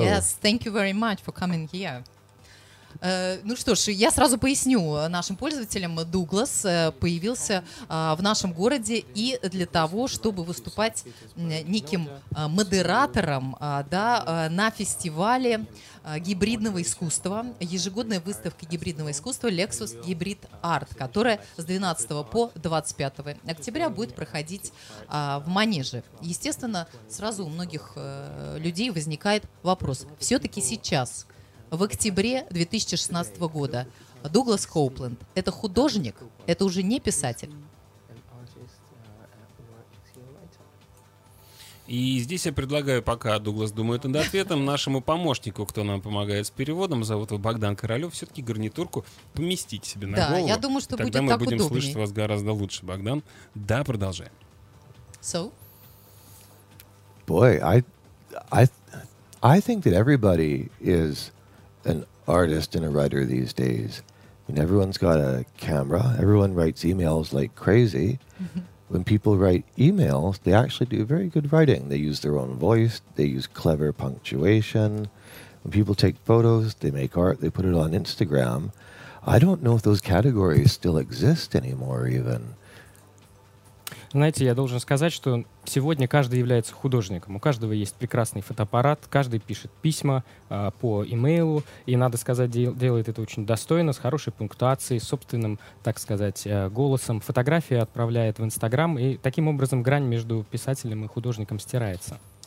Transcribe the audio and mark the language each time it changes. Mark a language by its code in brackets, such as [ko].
[en] Yes, thank you very much for coming here. [ru] Ну что ж, я сразу поясню нашим пользователям. Дуглас появился в нашем городе и для того, чтобы выступать неким модератором, да, на фестивале гибридного искусства, ежегодная выставка гибридного искусства Lexus Hybrid Art, которая с 12 по 25 октября будет проходить в Манеже. Естественно, сразу у многих людей возникает вопрос. Все-таки сейчас, в октябре 2016 года, Дуглас Коупленд – это художник, это уже не писатель. И здесь я предлагаю, пока Дуглас думает над ответом, нашему помощнику, кто нам помогает с переводом, зовут его Богдан Королёв, все-таки гарнитурку поместить себе на голову. Да, я думаю, что будет так удобнее. Тогда мы будем слышать вас гораздо лучше, Богдан. Да, продолжаем. [en] So? Boy, I think that everybody is an artist and a writer these days. I mean, everyone's got a camera. Everyone writes emails like crazy. When people write emails, they actually do very good writing. They use their own voice. They use clever punctuation. When people take photos, they make art. They put it on Instagram. I don't know if those categories still exist anymore even. [ru] Знаете, я должен сказать, что сегодня каждый является художником. У каждого есть прекрасный фотоаппарат, каждый пишет письма по имейлу, и, надо сказать, делает это очень достойно, с хорошей пунктуацией, с собственным, так сказать, голосом. Фотографии отправляет в Инстаграм, и таким образом грань между писателем и художником стирается.